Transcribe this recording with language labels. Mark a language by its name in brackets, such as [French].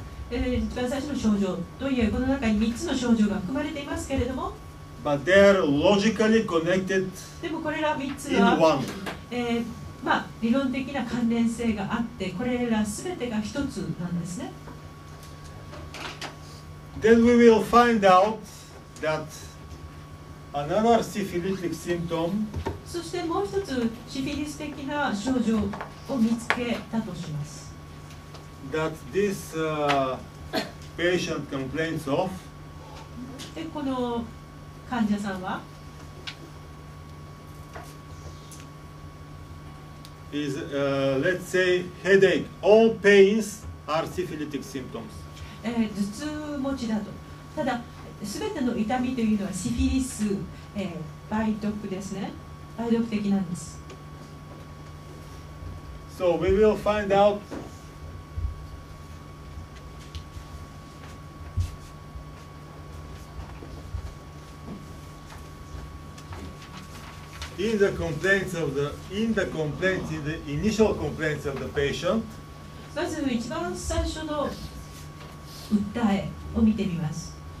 [Japanese] 一番最初の症状といえ、この中に3つの症状が含まれていますけれども、 [English] But they are logically connected [Japanese] でもこれら3つは [English] in one.、 [Japanese] 理論的な関連性があって、これら全てが1つなんですね。 [English] Then we will find out that another syphilitic symptom [Japanese] そしてもう一つシフィリス的な症状を見つけたとします。 [English] That this patient complains of [Japanese] でこの患者さんは [English] is let's say headache. All pains are syphilitic symptoms. [Japanese] 頭痛持ちだと。ただ全ての痛みというのはシフィリス、梅毒ですね。梅毒的なんです。 [English] So we will find out in the complaints of the in the complaints in the initial complaints of the patient. [Japanese] まず一番最初の訴えを見てみます。